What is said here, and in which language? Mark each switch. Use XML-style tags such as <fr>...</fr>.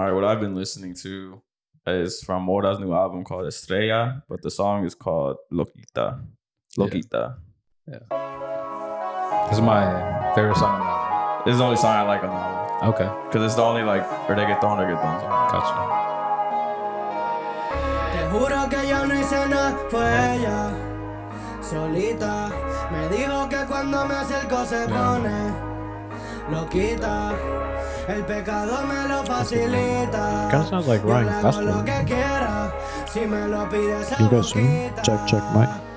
<en>right, what I've been listening to is from Mora's new album called Estrella, but the song is called Loquita. Loquita. Yeah, yeah. This is my favorite song on the album. This is the only song I like on the album. Okay, because it's the only like reggaeton song. Gotcha.</en> <es>Juro que yo no hice nada, fue ella solita. Me dijo que cuando me acerco se pone loquita. El pecado me lo facilita.</es> <en>Kind of sounds like Ryan Gosling.</en> <es>Si me lo pides,</es> <en>can you go soon? Check, check, mic.</en>